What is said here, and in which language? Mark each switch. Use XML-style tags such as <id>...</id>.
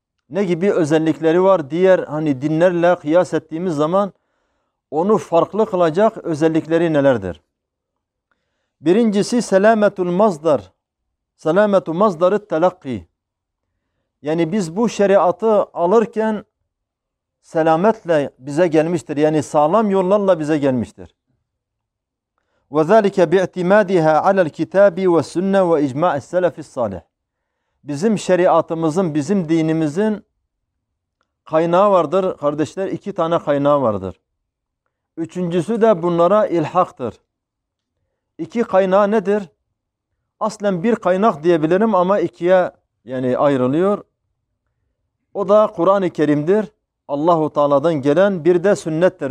<tr>Ne gibi özellikleri var? Diğer hani dinlerle kıyas ettiğimiz zaman onu farklı kılacak özellikleri nelerdir? Birincisi selametul mazdar. Selametu mazdarı telakki. Yani biz bu şeriatı alırken selametle bize gelmiştir. Yani sağlam yollarla bize gelmiştir.</tr> <ar>وَذَٰلِكَ بِاَتِمَادِهَا عَلَى الْكِتَابِ وَالسُنَّ وَاِجْمَعِ السَّلَفِ الصَّالِحِ</ar> <tr>Bizim şeriatımızın, bizim dinimizin kaynağı vardır. Kardeşler, iki tane kaynağı vardır. Üçüncüsü de bunlara ilhaktır. İki kaynağı nedir? Aslen bir kaynak diyebilirim ama ikiye yani ayrılıyor. O da Kur'an-ı Kerim'dir. Allah-u Teala'dan gelen, bir de sünnettir.</tr>